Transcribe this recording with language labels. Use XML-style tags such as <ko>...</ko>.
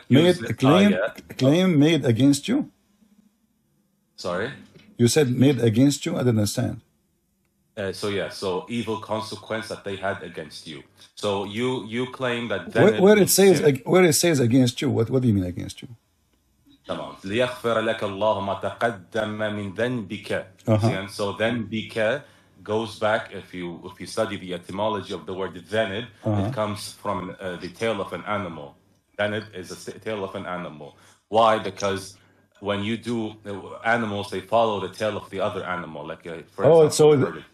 <en>made a claim made against you? Sorry? You said made against you? I didn't understand. So evil consequence that they had against you. So you claim that... Where it says against you, what do you mean against you?</en> <ar>تمام ليغفر لك الله ما تقدم من ذنبك.</ar> <en>So ذنبك goes back. If you study the etymology of the word ذنب, it comes from the tail of an animal. ذنب is the tail of an animal. Why? Because when you do animals, they follow the tail of the other animal. Like for example,</en>